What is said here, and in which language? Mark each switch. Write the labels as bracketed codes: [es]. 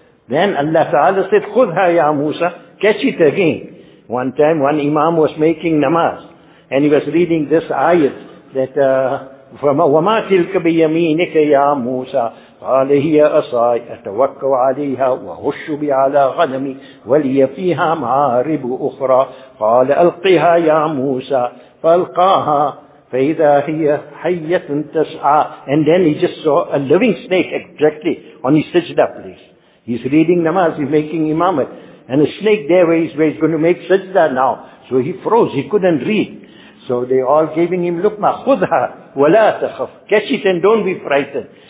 [en] Then Allah Ta'ala said, [ar] خُذْهَا يَا مُوسَىٰ, [en] catch it again. One time, one imam was making namaz, and he was reading this ayat that from [ar] وَمَا تِلْكَ بِيَمِينِكَ يَا مُوسَىٰ قَالَ هِيَ أَصَايَ أَتَوَكَّوْ عَلَيْهَا وَهُشُّ بِعَلَىٰ غَنَمِي وَلِيَ فِيهَا مَعَارِبُ أُخْرَىٰ قَالَ أَلْقِهَا يَا مُوسَىٰ فَالْقَاهَا فَإِذَا هِيَ حَيَّةٌ تَسْعَىٰ. [en] And then he just saw a living snake exactly on his sajda place. He's reading namaz, he's making imamat. And a snake there where he's going to make sajda now. So he froze, he couldn't read. So they all giving him, lukma, [ar] khudha, wala takhaf, [en] catch it and don't be frightened.